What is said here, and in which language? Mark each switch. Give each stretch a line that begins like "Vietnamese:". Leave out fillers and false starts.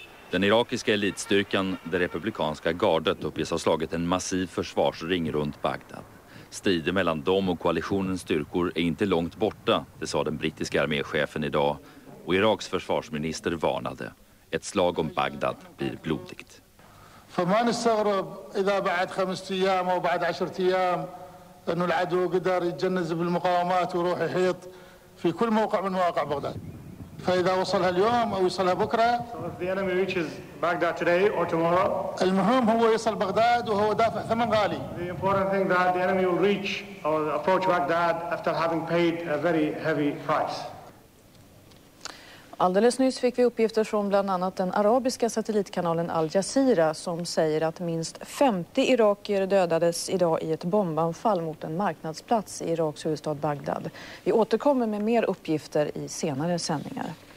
Swedish: Den irakiska elitstyrkan, det republikanska gardet, uppges ha slagit en massiv försvarsring runt Bagdad. Strider mellan dem och koalitionens styrkor är inte långt borta, det sa den brittiska arméchefen idag, och Iraks försvarsminister varnade: ett slag om Bagdad blir blodigt.
Arabic: فما نستغرب إذا بعد خمسة أيام أو بعد عشرة أيام أن العدو قدر يتجنز بالمقاومات وروح يحيط في كل موقع من مواقع بغداد. فإذا وصلها اليوم أو يصلها بكرة. المهم هو يصل بغداد وهو دافع ثمن غالي.
English: The important thing that the enemy will reach or approach Baghdad after having paid a very heavy price.
Swedish: Alldeles nyss fick vi uppgifter från bland annat den arabiska satellitkanalen Al Jazeera som säger att minst 50 irakier dödades idag i ett bombanfall mot en marknadsplats i Iraks huvudstad Bagdad. Vi återkommer med mer uppgifter i senare sändningar.